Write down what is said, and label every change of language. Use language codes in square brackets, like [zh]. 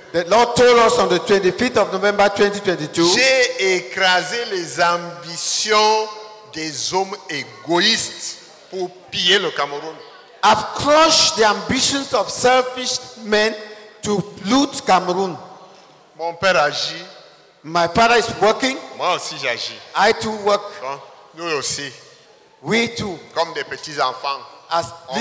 [en] the Lord told us on the 25th of November 2022, [fr] j'ai écrasé les ambitions des hommes égoïstes pour piller le Cameroun. [en] I've crushed the ambitions of selfish men to loot Cameroun. [fr] Mon père agit. [en] My father is working. [fr] Moi aussi j'agis. [en] I too work. [fr] Bon, nous aussi. [en] We too. [fr] Comme des petits enfants. [en] As [fr] on va